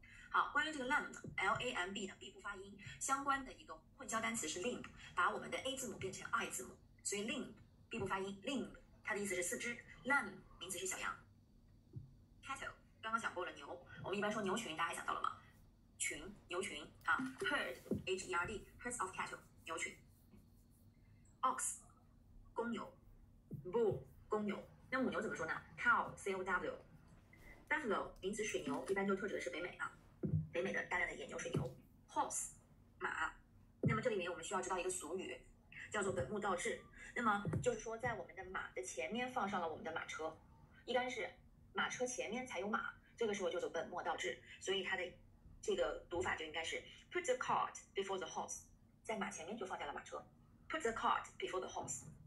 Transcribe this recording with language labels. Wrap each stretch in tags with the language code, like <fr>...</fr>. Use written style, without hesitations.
<zh>好，关于这个 lamb 呢 ，l a m b 呢 ，b 不发音，相关的一个混淆单词是 limb， 把我们的 a 字母变成 i 字母，所以 limb b 不发音 ，limb 它的意思是四肢 ，lamb 名词是小羊 ，cattle。刚刚讲过了牛，我们一般说牛群，大家还想到了吗？群，牛群啊 ，herd， h e r d， herds of cattle， 牛群。 ox， 公牛 ，bull， 公牛。那母牛怎么说呢 ？cow， c o w。 buffalo， 名词，水牛，一般就特指的是北美啊，北美的大量的野牛、水牛。 horse， 马。那么这里面我们需要知道一个俗语，叫做本末倒置。那么就是说，在我们的马的前面放上了我们的马车，一般是。马车前面才有马，这个时候就叫本末倒置，所以它的这个读法就应该是</zh> <en>put the cart before the horse，</en> <zh>在马前面就放下了马车 put the cart before the horse。</zh>